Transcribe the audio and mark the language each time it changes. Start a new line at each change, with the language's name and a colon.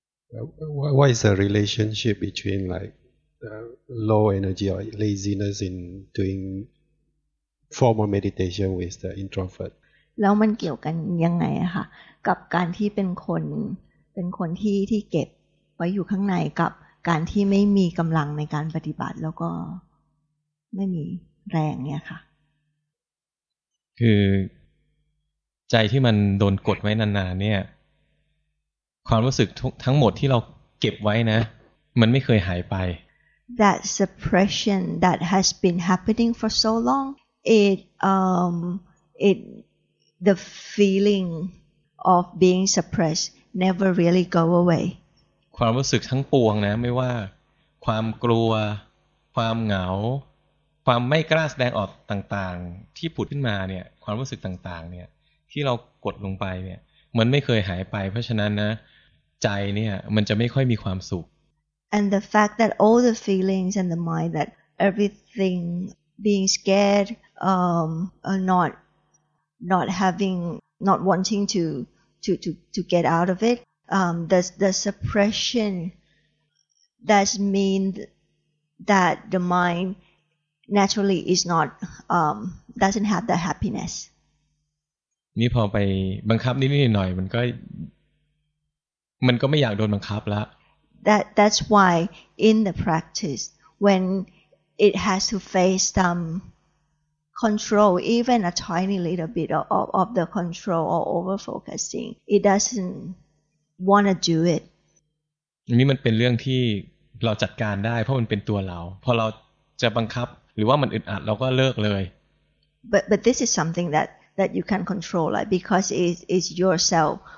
English: What is the relationship between like low energy or laziness in doing? Formal meditation with the introvert.
Thai: แล้วมันเกี่ยวกันยังไงคะกับการที่เป็นคนที่เก็บไว้อยู่ข้างในกับการที่ไม่มีกำลังในการปฏิบัติแล้วก็ไม่มีแรงเนี่ยค่ะ คือใจที่มันโดนกดไว้นานๆเนี่ยความรู้สึกทั้งหมดที่เราเก็บไว้นะมันไม่เคยหายไป
English: That suppression that has been happening for so longIt the feeling of being suppressed never really go away.
Thai: ความรู้สึกทั้งปวงนะไม่ว่าความกลัวความเหงาความไม่กล้าแสดงออกต่างๆที่ผุดขึ้นมาเนี่ยความรู้สึกต่างๆเนี่ยที่เรากดลงไปเนี่ยมันไม่เคยหายไปเพราะฉะนั้นนะใจเนี่ยมันจะไม่ค่อยมีความสุข
English: And the fact that all the feelings and the mind that everythingBeing scared, not wanting to get out of it. The suppression does mean that the mind naturally is not doesn't have the happiness.
Thai: นี่พอไปบังคับนิดหน่อยมันก็ไม่อยากโดนบังคับละ
English: That's why in the practice when. It has to face some control, even a tiny little bit of the control or over-focusing. It doesn't want to do it.
Thai: นี่มันเป็นเรื่องที่เราจัดการได้เพราะมันเป็นตัวเราพอเราจะบังคับหรือว่ามันอึดอัดเราก็เลิกเลย
English: But this is something that you can control, right? Because it's yourself.